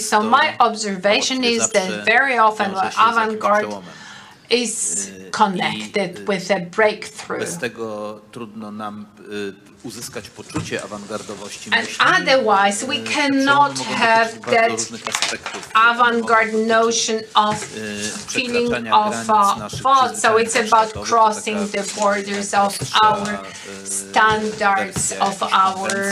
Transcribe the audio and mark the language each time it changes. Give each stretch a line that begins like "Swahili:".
English: So my observation is that very often avant-garde is connected with a breakthrough.
Polish: Bez tego trudno nam uzyskać poczucie awangardowości.
English: And otherwise we cannot have that avant-garde notion of feeling of thought. So it's about crossing the borders of our standards, of our